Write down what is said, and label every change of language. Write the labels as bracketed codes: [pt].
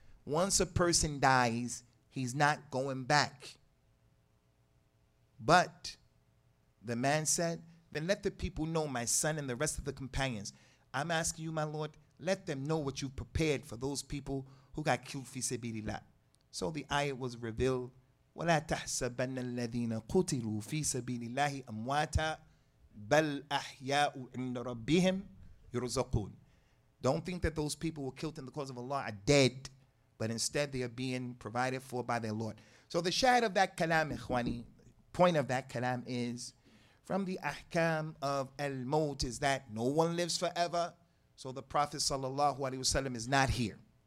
[en] Once a person dies, he's not going back. But the man said, then let the people know, my son and the rest of the companions. I'm asking you, my lord, let them know what you've prepared for those people who got killed fi sabilillah. So the ayah was revealed, [ar] وَلَا تَحْسَبَنَّ الَّذِينَ قُتِلُوا فِي سَبِيلِ اللَّهِ أَمْوَاتًا بَلْ أَحْيَاءُ عِنَّ رَبِّهِمْ يُرْزَقُونَ. [en] Don't think that those people were killed in the cause of Allah are dead, but instead they are being provided for by their Lord. So the shahid of that kalam, ikhwani, point of that kalam is, from the ahkam of al-mawt is that no one lives forever, so the Prophet sallallahu alayhi wasallam is not here.